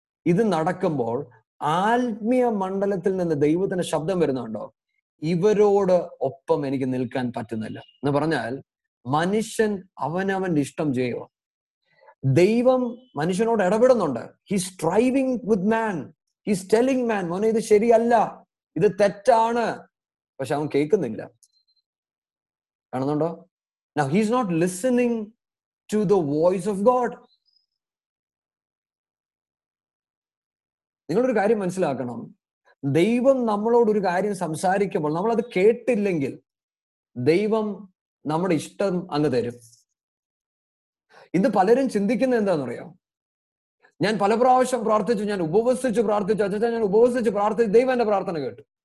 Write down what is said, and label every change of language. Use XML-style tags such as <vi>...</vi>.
<ml>ഇത് നടക്കുമ്പോൾ ആത്മീയ മണ്ഡലത്തിൽ നിന്ന് ദൈവത്തിന് ശബ്ദം വരുന്നുണ്ടോ, ഇവരോട് ഒപ്പം എനിക്ക് നിൽക്കാൻ പറ്റുന്നില്ല എന്ന് പറഞ്ഞാൽ മനുഷ്യൻ അവനവന്റെ ഇഷ്ടം ചെയ്യുക. ദൈവം മനുഷ്യനോട് ഇടപെടുന്നുണ്ട്.</ml> <en>he's striving with man, he's telling man,</en> <ml>മോനെ ഇത് ശരിയല്ല, ഇത് തെറ്റാണ്. പക്ഷെ അവൻ കേൾക്കുന്നില്ല, കാണുന്നുണ്ടോ?</ml> <en>Now, he's not listening to the voice of God.</en> <ml>നിങ്ങൾ ഒരു കാര്യം മനസ്സിലാക്കണം, ദൈവം നമ്മളോട് ഒരു കാര്യം സംസാരിക്കുമ്പോൾ നമ്മൾ അത് കേട്ടില്ലെങ്കിൽ ദൈവം നമ്മുടെ ഇഷ്ടം അങ്ങ് തരും. ഇന്ന് പലരും ചിന്തിക്കുന്നത് എന്താണെന്നറിയോ, ഞാൻ പല പ്രാവശ്യം പ്രാർത്ഥിച്ചു, ഞാൻ ഉപവസിച്ച് പ്രാർത്ഥിച്ചു, അച്ഛാ ഞാൻ ഉപവസിച്ച് പ്രാർത്ഥിച്ചു, ദൈവം എന്റെ പ്രാർത്ഥന കേട്ടു.</ml>